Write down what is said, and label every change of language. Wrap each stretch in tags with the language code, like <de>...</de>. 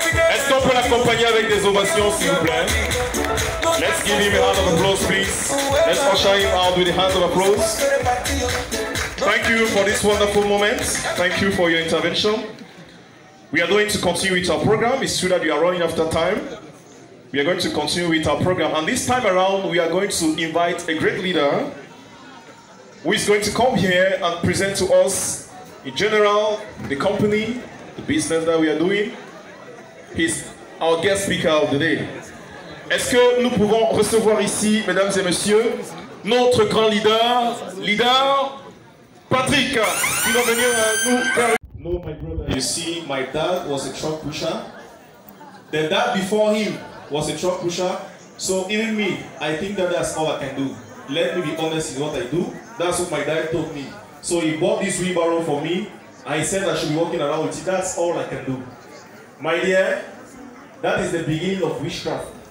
<fr>Est-ce qu'on peut l'accompagner avec des ovations, s'il vous plaît?</fr> <en>Let's give him a hand of applause, please. Let's usher him out with a hand of applause. Thank you for this wonderful moment. Thank you for your intervention. We are going to continue with our program. It's true that we are running after time. We are going to continue with our program. And this time around, we are going to invite a great leader who is going to come here and present to us, in general, the company, the business that we are doing. He's our guest speaker of the day.</en> <fr>Est-ce que nous pouvons recevoir ici, mesdames et messieurs, notre grand leader, leader Patrick, qui va venir nous faire...</fr> <en>No, my brother. You see, my dad was a truck pusher. The dad before him was a truck pusher. So even me, I think that that's all I can do. Let me be honest in what I do. That's what my dad told me. So he bought this wheelbarrow for me. I said I should be walking around with it. That's all I can do. My dear, that is the beginning of witchcraft.</en>